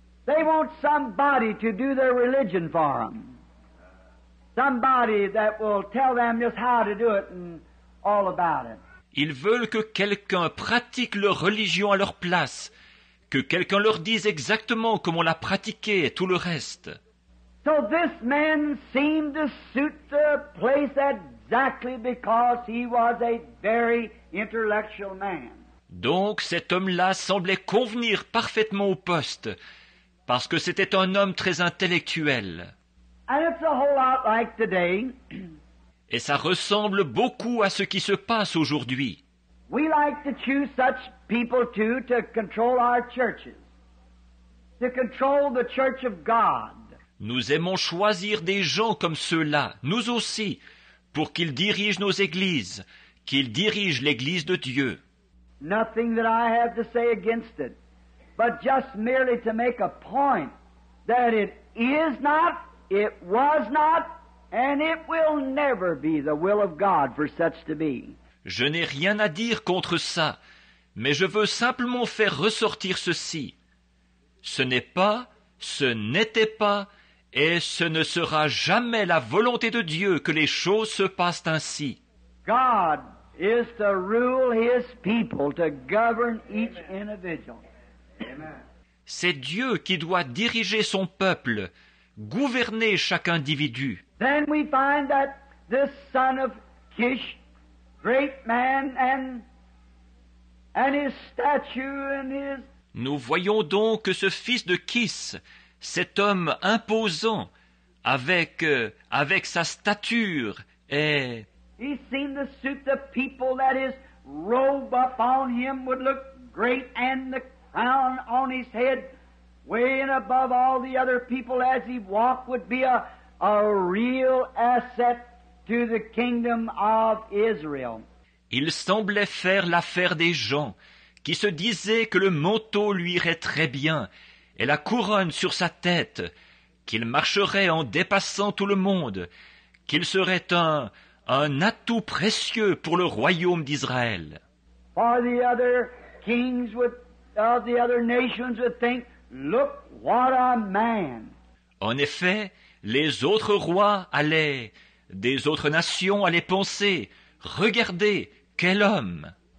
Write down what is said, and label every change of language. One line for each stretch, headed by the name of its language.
English: They want somebody to do their religion for them. Somebody that will tell them just how to do it and all about it.
French: Ils veulent que quelqu'un pratique leur religion à leur place, que quelqu'un leur dise exactement comment la pratiquer et tout le reste.
English: So this man seemed to suit the place exactly because he was a very intellectual man.
French: Donc cet homme-là semblait convenir parfaitement au poste, parce que c'était un homme très intellectuel.
English: And it's a whole lot like today.
French: Et ça ressemble beaucoup à ce qui se passe aujourd'hui.
English: We like to choose such people too to control our churches, to control the church of God.
French: Nous aimons choisir des gens comme ceux-là, nous aussi, pour qu'ils dirigent nos églises, qu'ils dirigent l'église de Dieu.
English: Nothing that I have to say against it, but just merely to make a point that it is not, it was not, and it will never be the will of God for such to be.
French: Je n'ai rien à dire contre ça, mais je veux simplement faire ressortir ceci. Ce n'est pas, ce n'était pas, et ce ne sera jamais la volonté de Dieu que les choses se passent ainsi.
English: God is to rule his people, to govern each individual.
French: C'est Dieu qui doit diriger son peuple, gouverner chaque individu.
English: Then we find that this son of Kish, great man, and his statue and his...
French: Nous voyons donc que ce fils de Kish, cet homme imposant, avec sa stature, est...
English: He seemed to suit the people that his robe upon him would look great and the crown on his head way and above all the other people as he walked would be a real asset to the kingdom of Israel.
French: Il semblait faire l'affaire des gens qui se disaient que le manteau lui irait très bien et la couronne sur sa tête, qu'il marcherait en dépassant tout le monde, qu'il serait un atout précieux pour le royaume d'Israël.
English: For the other kings of the other nations would think, look what a man.
French: En effet, les autres rois allaient, des autres nations allaient penser, regardez, quel homme.